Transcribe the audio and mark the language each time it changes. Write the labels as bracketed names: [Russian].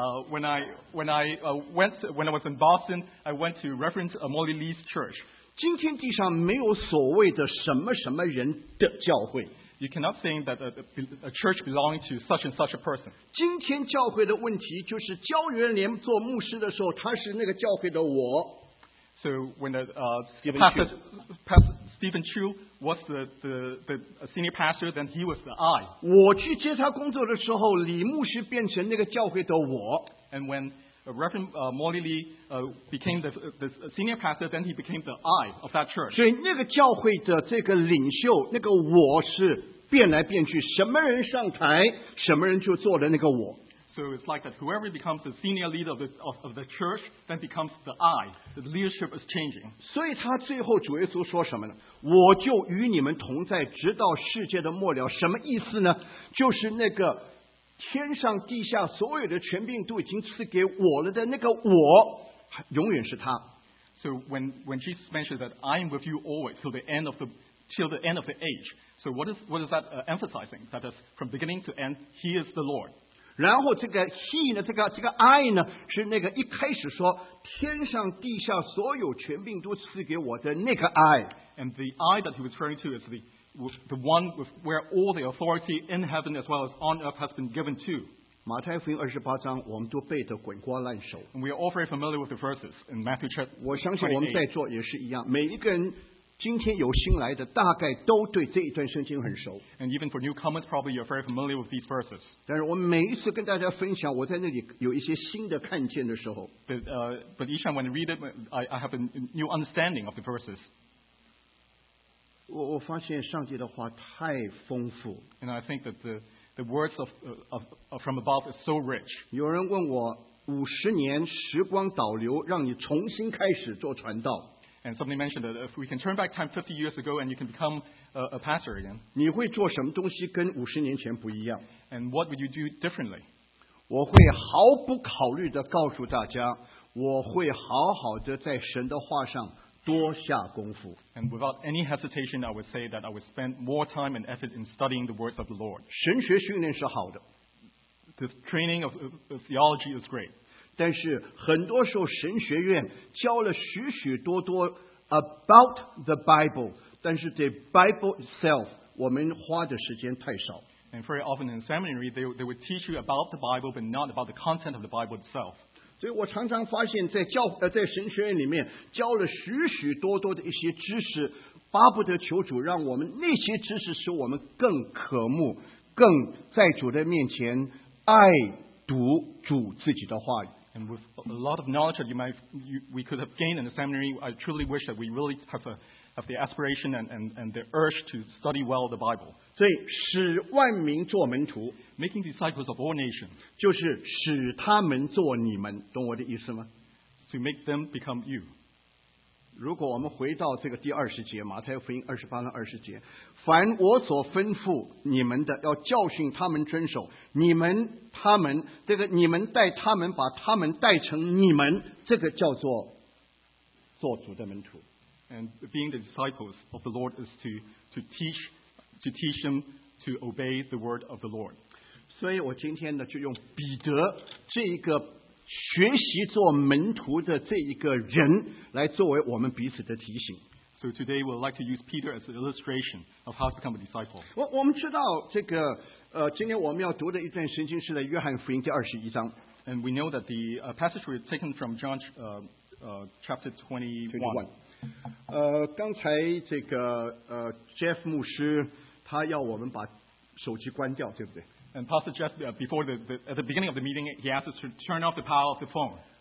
[English] When I went when I was in Boston, I went to Reverend Molly Lee's church. [Chinese] 今天地上没有所谓的什么什么人的教会。 [English] You cannot think that a church belonging to such and such a person. [Chinese] 今天教会的问题就是教员连做牧师的时候，他是那个教会的我。 [English] So when the pastor Stephen Chu was the senior pastor, then he was the I. [Chinese] 我去接他工作的时候，李牧师变成那个教会的我。 [English] And when Reverend Molly Lee became the senior pastor, then he became the I of that church. [Chinese] 所以那个教会的这个领袖，那个我是变来变去，什么人上台，什么人就做了那个我。 [English] So it's like that whoever becomes the senior leader of the church, then becomes the I. The leadership is changing. [Chinese] 所以他最后主耶稣说什么呢？我就与你们同在，直到世界的末了。什么意思呢？就是那个天上地下所有的权柄都已经赐给我了的那个我，永远是他。 [English] So when Jesus mentioned that I am with you always till the end of the age, so what is that emphasizing? That is from beginning to end, He is the Lord. [Chinese] 然后这个 He 呢，这个 I 呢，是那个一开始说天上地下所有权柄都赐给我的那个 I. [English] And the I that he was referring to is the one with where all the authority in heaven as well as on earth has been given to. [Chinese] 马太福音二十八章，我们都背得滚瓜烂熟。 [English] And we are all very familiar with the verses in Matthew chapter 28. [Chinese] 我相信我们在座也是一样，每一个人今天有新来的，大概都对这一段圣经很熟。 [English] And even for newcomers, probably you're very familiar with these verses. [Chinese] 但是我每一次跟大家分享我在那里有一些新的看见的时候 [English] but each time when I read it, I have a new understanding of the verses. [Chinese] 我发现上帝的话太丰富。 [English] And I think that the words of from above is so rich. [Chinese] 有人问我五十年时光倒流，让你重新开始做传道。 [English] And somebody mentioned that if we can turn back time 50 years ago and you can become a pastor again. [Chinese] 你会做什么东西跟五十年前不一样 [English] ？And what would you do differently? [Chinese] 我会毫不考虑地告诉大家，我会好好地在神的话上。多下功夫。 [English] And without any hesitation, I would say that I would spend more time and effort in studying the words of the Lord. [Chinese] 神学训练是好的。 [English] The training of theology is great. [Chinese] 但是很多时候神学院教了许许多多 [English] about the Bible, [Chinese] 但是 [English] the Bible itself, [Chinese] 我们花的时间太少。 [English] And very often in seminary, they would teach you about the Bible, but not about the content of the Bible itself. [Chinese] 所以我常常发现在神学院里面教了许许多多的一些知识，巴不得求主让我们那些知识使我们更渴慕，更在主的面前爱读主自己的话语。 [English] And with a lot of knowledge that we could have gained in the seminary, I truly wish that we really have the aspiration and the urge to study well the Bible. [Chinese] 所以使万民做门徒 [English] ，making disciples of all nations， [Chinese] 就是使他们做你们，懂我的意思吗 [English] ？To make them become you. [Chinese] 如果我们回到这个第二十节，马太福音二十八章二十节，凡我所吩咐你们的，要教训他们遵守。你们、他们，这个你们带他们，把他们带成你们，这个叫做做主的门徒。 [English] And being the disciples of the Lord is to teach them to obey the word of the Lord. [Chinese] 所以我今天呢，就用彼得这一个学习做门徒的这一个人来作为我们彼此的提醒。 [English] So today we'd like to use Peter as an illustration of how to become a disciple. [Chinese] 我们知道这个今天我们要读的一段圣经是在约翰福音第二十一章。 [English] And we know that the passage was taken from John chapter 21. [Chinese] 刚才这个Jeff 牧师他要我们把手机关掉，对不对 [English] ？And Pastor Jeff, before the at the beginning of the meeting, he asked us to turn off the power of the phone.